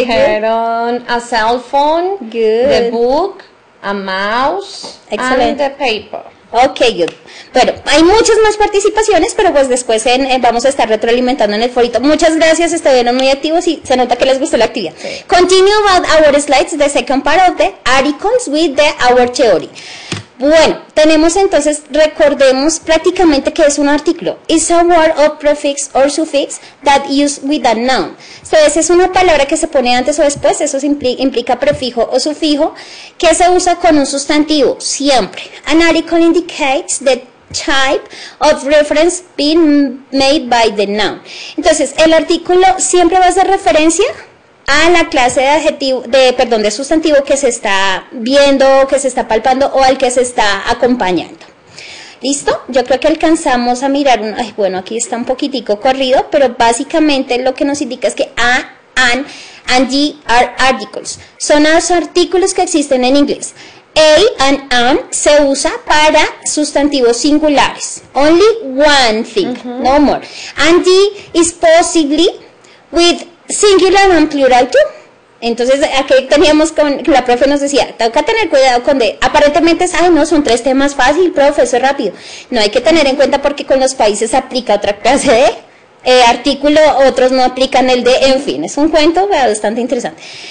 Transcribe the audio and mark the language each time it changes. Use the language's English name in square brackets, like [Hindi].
[Spanish] dijeron [English] good. A cell phone, good. The book, a mouse, excellent. And the paper. Okay, good. [Spanish] Bueno, hay muchas más participaciones, pero pues después vamos a estar retroalimentando en el forito. Muchas gracias, estuvieron muy activos y se nota que les gustó la actividad. Sí. [English] Continue about our slides, the second part of the articles with the our theory. [Spanish] Bueno, tenemos entonces, recordemos prácticamente que es un artículo. [English] It's a word or prefix or suffix that used with a noun. [Spanish] Entonces, es una palabra que se pone antes o después, eso implica prefijo o sufijo, que se usa con un sustantivo, siempre. [English] An article indicates the type of reference being made by the noun. [Spanish] Entonces, el artículo siempre va a hacer referencia a la clase de adjetivo, de sustantivo que se está viendo, que se está palpando o al que se está acompañando. ¿Listo? Yo creo que alcanzamos a mirar, aquí está un poquitico corrido, pero básicamente lo que nos indica es que [English] a, an, and ye are articles. [Spanish] Son los artículos que existen en inglés. A and an se usa para sustantivos singulares. [English] Only one thing, uh-huh. No more. And ye is possibly with singular and plural too. [Spanish] Entonces, aquí teníamos con la profe nos decía, toca tener cuidado con de. Aparentemente, son tres temas fácil, profe, eso es rápido. No hay que tener en cuenta porque con los países aplica otra clase de artículo, otros no aplican el de, en fin, es un cuento bastante interesante.